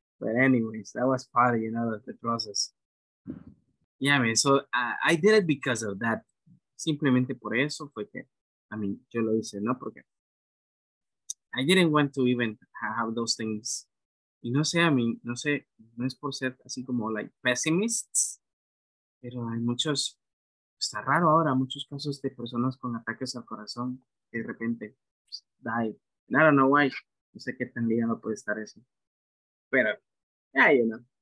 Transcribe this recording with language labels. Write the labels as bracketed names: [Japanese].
[English] But anyways, that was part of, you know, the process. Yeah, I mean, so I did it because of that. [Spanish] Simplemente por eso fue que, [English] I mean, [Spanish] yo lo hice, ¿no? Porque [English] I didn't want to even have those things. [Spanish] Y no sé, [English] I mean, [Spanish] no sé, no es por ser así como [English] like pessimists, [Spanish] pero hay muchos, está raro ahora, muchos casos de personas con ataques al corazón que de repente pues, [English] die. I don't know why. [Spanish] No sé qué tan ligado puede estar eso. Pero, [English] yeah, you know.